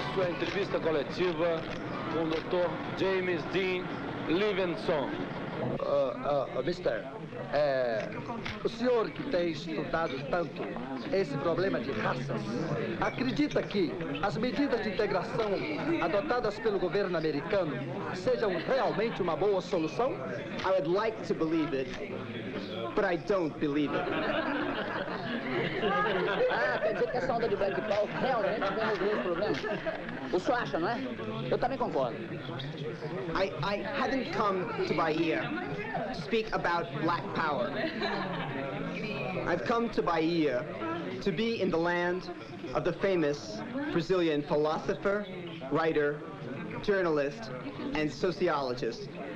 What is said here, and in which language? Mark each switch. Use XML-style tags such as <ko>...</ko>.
<pt>entrevista coletiva com o Dr. James Dean Livingston. Mister, é, o senhor que tem estudado tanto esse problema de raças, acredita que as medidas de integração adotadas pelo governo americano sejam realmente uma boa solução?</pt> <en>I would like to believe it, but I don't believe it.</en> <pt>Ah, quer dizer que essa onda de black ball realmente vem resolver o problema? O senhor acha, não é? Eu também concordo.</pt> <en>I hadn't come to Bahia to speak about black power. I've come to Bahia to be in the land of the famous Brazilian philosopher, writer, journalist, and sociologist.</en>